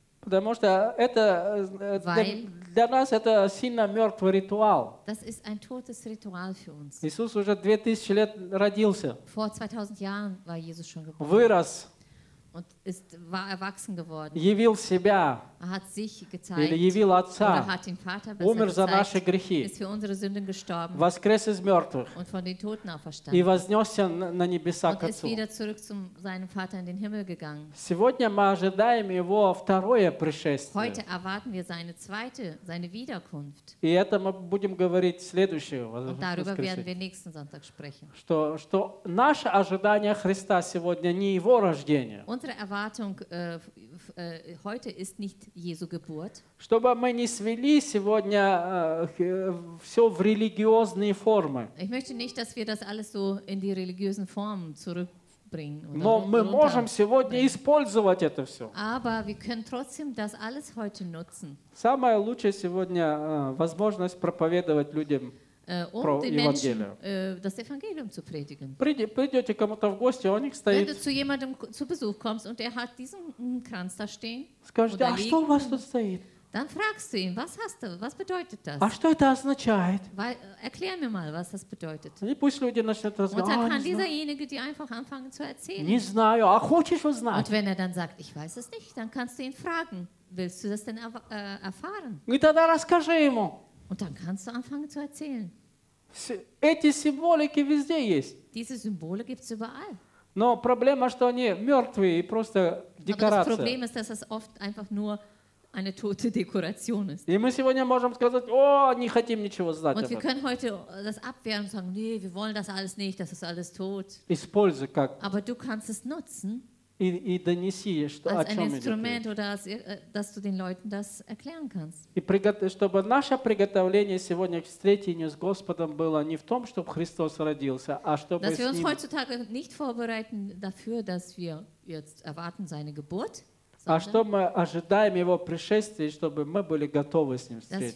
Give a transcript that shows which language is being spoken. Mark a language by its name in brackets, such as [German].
[Russian] Потому что это для нас это сильно мертвый ритуал. [German] Das ist ein totes Ritual für uns. [Russian] Иисус уже 2000 лет родился. [German] Vor 2000 Jahren war Jesus schon geboren. [Russian] Вырос. [German] Und ist, war erwachsen geworden. [Russian] Явил себя. [German] Er hat sich gezeigt. [Russian] Или явил Отца. [German] Oder hat den Vater besser [Russian] умер [German] gezeigt, [Russian] за наши грехи. [German] Ist für unsere Sünden gestorben. [Russian] Воскрес из мертвых. [German] Und von den Toten auferstanden. [Russian] И вознесся на небеса к Отцу. [German] Und ist wieder zurück zu seinem Vater in den Himmel gegangen. [Russian] Сегодня мы ожидаем его второе пришествие. [German] Heute erwarten wir seine Wiederkunft. [Russian] И это мы будем говорить следующее. [German] Und darüber werden wir nächsten Sonntag sprechen. [Russian] Что наше ожидание Христа сегодня не его рождение. [German] Unsere Erwartung heute ist nicht Jesu Geburt. [Russian] Чтобы мы не свели сегодня все в религиозные формы. [German] Ich möchte nicht, dass wir das alles so in die religiösen Formen zurückbringen. [Russian] Но мы можем сегодня использовать это все. [German] Aber wir können trotzdem das alles heute nutzen. [Russian] Самое лучшее сегодня возможность проповедовать людям. [German] Das Evangelium zu predigen. [Russian] Придете кому-то в гости, он их стоит. [German] Wenn du zu jemandem zu Besuch kommst und er hat diesen Kranz da stehen, [Russian] скажете, а что у вас тут стоит? [German] Dann fragst du ihn, was hast du, was bedeutet das? [Russian] А что это означает? [German] Erklär mir mal, was das bedeutet. [Russian] И пусть люди начнут разговаривать. [German] Und dann kann dieserjenige dir einfach anfangen zu erzählen. [Russian] Не знаю, а хочешь узнать? [German] Und wenn er dann sagt, ich weiß es nicht, dann kannst du ihn fragen, willst du das denn erfahren? [Russian] И тогда расскажи ему. [German] Und dann kannst du anfangen zu erzählen. [Russian] Эти символики везде есть. [German] Diese Symbole gibt's überall. [Russian] Но проблема, что они мертвые и просто декорация. [German] Das Problem ist, dass es oft einfach nur eine tote Dekoration ist. [Russian] И мы сегодня можем сказать, о, не хотим ничего знать. [German] Und wir können heute das abwehren und sagen, nee, wir wollen das alles nicht, das ist alles tot. [Russian] Используй как. [German] Aber du kannst es nutzen. [Russian] И донеси, что, [German] als ein Instrument, oder als, dass du den Leuten das erklären kannst. [Russian] И чтобы наше приготовление сегодня к встрече с Господом было не в том, чтобы Христос родился, а чтобы [German] dass wir uns heutzutage nicht vorbereiten dafür, dass wir jetzt erwarten seine Geburt, [Russian] а что мы ожидаем его пришествия, чтобы мы были готовы с ним встретиться.